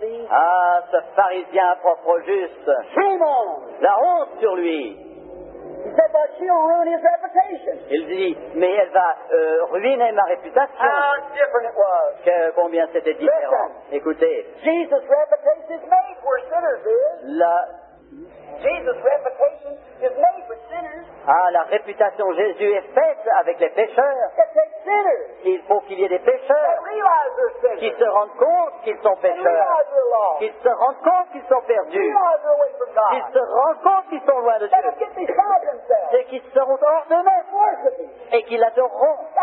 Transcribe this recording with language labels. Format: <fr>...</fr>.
<fr>Ah, ce pharisien propre juste. La honte sur lui.</fr> <en>He said, but she'll ruin his reputation.</en> <fr>Il dit, mais elle va ruiner ma réputation.</fr> <en>How different it was.</en> <fr>Combien c'était différent.</fr> <en>Listen,</en> <fr>écoutez.</fr> <en>Jesus' reputation is made where sinners is. Jesus' reputation is made for sinners.</en> <fr>Ah, la réputation de Jésus est faite avec les pécheurs. Il faut qu'il y ait des pécheurs qui se rendent compte qu'ils sont pécheurs, qu'ils se rendent compte qu'ils sont perdus, qu'ils se rendent compte qu'ils sont loin de Dieu, et qu'ils seront hors d'eux-mêmes et qu'ils l'adoreront.</fr>